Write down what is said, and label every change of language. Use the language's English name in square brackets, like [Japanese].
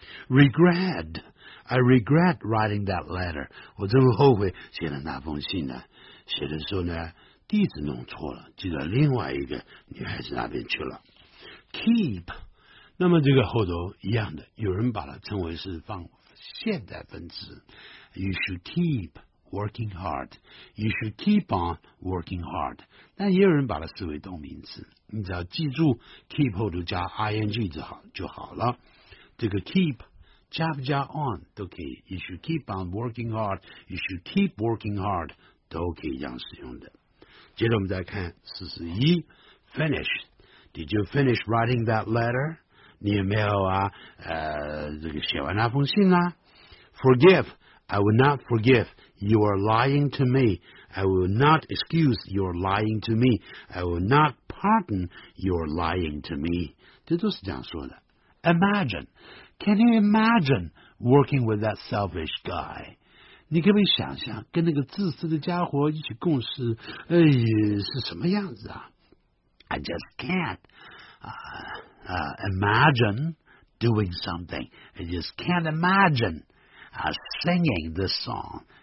[English] Regret， I regret writing that letter， [Chinese] 我真后悔写了那封信呢。写的时候呢，地址弄错了，寄到另外一个女孩子那边去了。 Keep， 那么这个后头一样的，有人把它称为是放现代分词。 [English] You should keep。 Working hard, you should keep on working hard. [Chinese] 但也有人把它视为动名词，你只要记住 keep 后头加 ing 就好了。这个 keep 加不加 on 都可以。 [English] You should keep on working hard, [Chinese] you should keep working hard 都可以这样使用的。接着我们再看41 [English] finish. Did you finish writing that letter? [Chinese] 你有没有啊？这个写完那封信啊 ？Forgive, [English] I will not forgive. You are lying to me. I will not excuse your lying to me. I will not pardon your lying to me. [Chinese] 这都是这样说的。Imagine. [English] Can you imagine working with that selfish guy? [Chinese] 你可不可以想象跟那个自私的家伙一起共事，是什么样子啊？ [English] I just can't. Imagine doing something. I just can't imagine singing this song.